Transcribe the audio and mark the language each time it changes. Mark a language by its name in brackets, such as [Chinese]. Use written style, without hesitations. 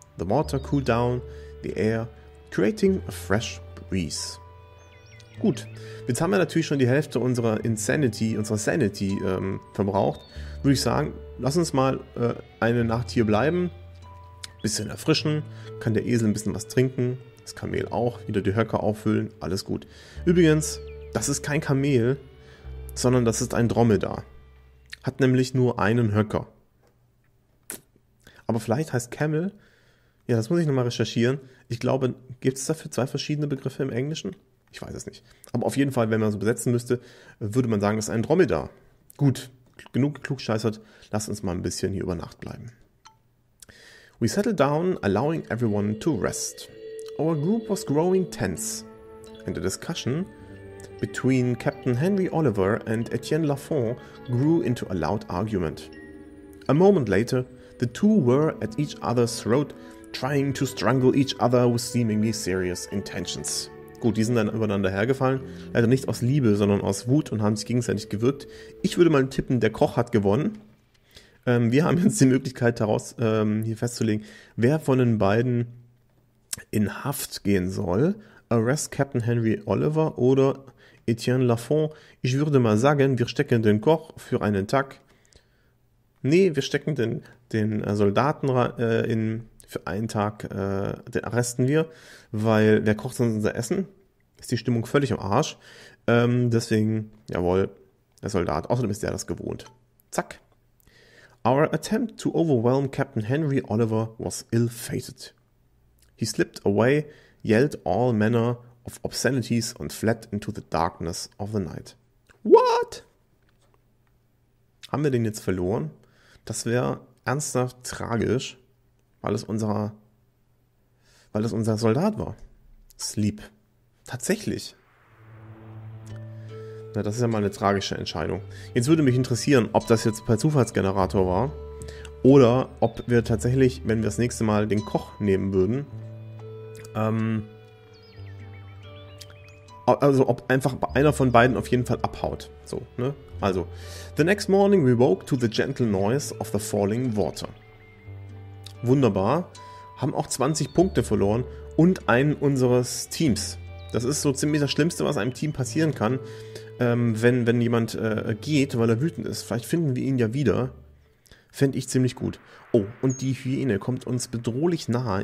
[English] The water cooled down, the air creating a fresh breeze. [German] Gut, jetzt haben wir natürlich schon die Hälfte unserer Sanity verbraucht. Würde ich sagen, lass uns mal eine Nacht hier bleiben. Bisschen erfrischen, kann der Esel ein bisschen was trinken, das Kamel auch, wieder die Höcker auffüllen, alles gut. Übrigens, das ist kein Kamel, sondern das ist ein Dromedar. Hat nämlich nur einen Höcker. Aber vielleicht heißt Camel, ja, das muss ich nochmal recherchieren. Ich glaube, gibt es dafür zwei verschiedene Begriffe im Englischen? Ich weiß es nicht. Aber auf jeden Fall, wenn man so besetzen müsste, würde man sagen, das ist ein Dromedar. Gut, genug geklugscheißert, lass uns mal ein bisschen hier über Nacht bleiben. [English] We settled down, allowing everyone to rest. Our group was growing tense, and the discussion between Captain Henry Oliver and Etienne Lafont grew into a loud argument. A moment later, the two were at each other's throat, trying to strangle each other with seemingly serious intentions. [German] Gut, die sind dann übereinander hergefallen. Leider nicht aus Liebe, sondern aus Wut und haben sich gegenseitig gewürgt. Ich würde mal tippen, der Koch hat gewonnen. Wir haben jetzt die Möglichkeit daraus, hier festzulegen, wer von den beiden in Haft gehen soll. Arrest Captain Henry Oliver oder Etienne Lafont. Ich würde mal sagen, wir stecken den Koch für einen Tag. Nee, wir stecken den Soldaten in für einen Tag, den arresten wir, weil wer kocht sonst unser Essen? Ist die Stimmung völlig am Arsch. Deswegen, jawohl, der Soldat. Außerdem ist der das gewohnt. Zack. [English] Our attempt to overwhelm Captain Henry Oliver was ill-fated. He slipped away, yelled all manner of obscenities and fled into the darkness of the night. [German] What? Haben wir den jetzt verloren? Das wäre ernsthaft tragisch, weil es unser Soldat war. Sleep. Tatsächlich. Na, das ist ja mal eine tragische Entscheidung. Jetzt würde mich interessieren, ob das jetzt per Zufallsgenerator war oder ob wir tatsächlich, wenn wir das nächste Mal den Koch nehmen würden, also ob einfach einer von beiden auf jeden Fall abhaut. So, ne? [English] Also, the next morning we woke to the gentle noise of the falling water. [German] Wunderbar. Haben auch 20 Punkte verloren und einen unseres Teams. Das ist so ziemlich das Schlimmste, was einem Team passieren kann, wenn jemand geht, weil er wütend ist. Vielleicht finden wir ihn ja wieder. Fände ich ziemlich gut. Oh, und die Hyäne kommt uns bedrohlich nahe.